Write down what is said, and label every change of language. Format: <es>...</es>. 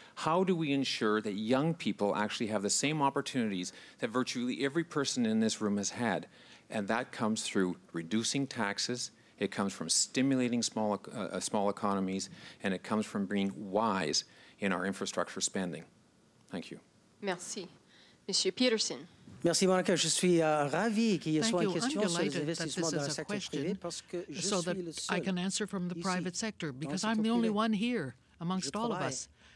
<en>How do we ensure that young people actually have the same opportunities that virtually every person in this room has had? And that comes through reducing taxes, it comes from stimulating small economies, and it comes from being wise in our infrastructure spending. Thank you.</en> <fr>Merci. Monsieur Peterson. Merci, Monica. Je suis ravi qu'il y ait une question sur les investissements dans le secteur privé parce que je suis le seul.</fr> <en>I can answer from the private sector because I'm the only one here amongst all of us.</en>